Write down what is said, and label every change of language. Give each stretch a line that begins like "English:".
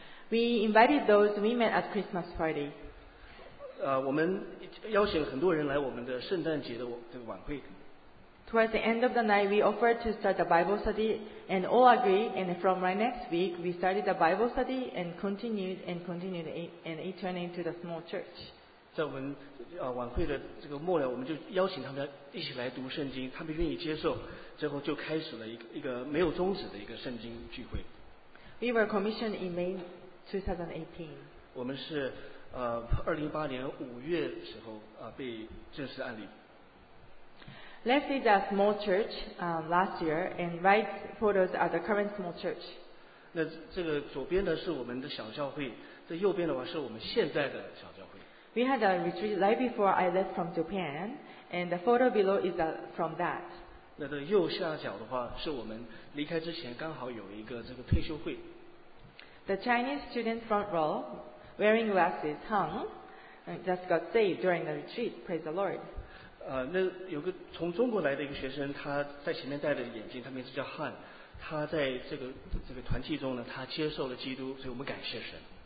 English: We invited those we met at Christmas party.
Chinese: 我们邀请很多人来我们的圣诞节的这个晚会。
English: Towards the end of the night, we offered to start the Bible study, and all agreed. And from right next week, we started the Bible study and continued, and it turned into the small church.
Chinese: 在我们晚会的这个末了，我们就邀请他们一起来读圣经，他们愿意接受，之后就开始了一个没有终止的一个圣经聚会。
English: We were commissioned in May 2018.
Chinese: 我们是2018年五月时候被正式案例。
English: Left is a small church last year, and right photos are the current small church.
Chinese: 那这个左边呢是我们的小教会，这右边的话是我们现在的小教会。
English: We had a retreat right before I left from Japan, and the photo below is from that.
Chinese: 那这右下角的话是我们离开之前刚好有一个这个退休会。
English: The Chinese student front row, wearing glasses, hung, just got saved during the retreat. Praise the Lord.
Chinese: 那有个从中国来的一个学生，他在前面戴着眼镜，他名字叫 Han， 他在这个团契中呢，他接受了基督，所以我们感谢神。